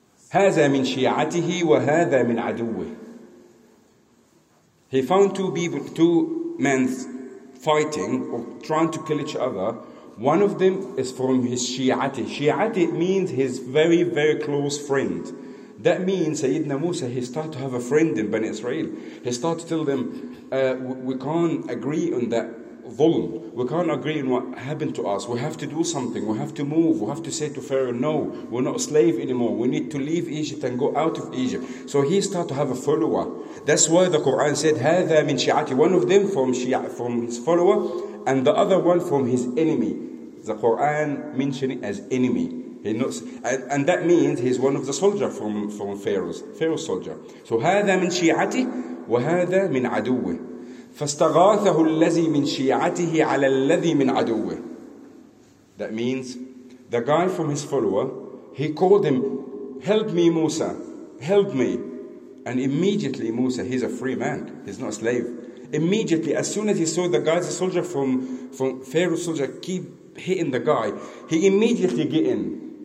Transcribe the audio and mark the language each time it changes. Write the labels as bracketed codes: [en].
[ar] هذا من شيعته وهذا من عدوه. [en] He found two men fighting or trying to kill each other. One of them is from his شيعته. شيعته means his very, very close friend. That means Sayyidina Musa, he started to have a friend in Bani Israel. He started to tell them, we can't agree on that. Volume. We can't agree on what happened to us. We have to do something. We have to move. We have to say to Pharaoh, no, we're not a slave anymore. We need to leave Egypt and go out of Egypt. So he started to have a follower. That's why the Quran said, [ar] هَذَا مِنْ شِعَاتِ [en] One of them from his follower, and the other one from his enemy. The Quran mentioned it as enemy. He knows, and that means he's one of the soldiers from Pharaoh's soldier. [ar] So هَذَا مِنْ شِعَاتِ وَهَذَا مِنْ عَدُوِّهِ فَاسْتَغَاثَهُ الَّذِي مِنْ شِيَعَتِهِ عَلَى الَّذِي مِنْ عَدُوِّهِ [en] That means, The guy from his follower, he called him, "Help me, Musa, help me." And immediately Musa, he's a free man, he's not a slave. Immediately, as soon as he saw the guy, the soldier from Pharaoh's soldier keep hitting the guy, he immediately get in.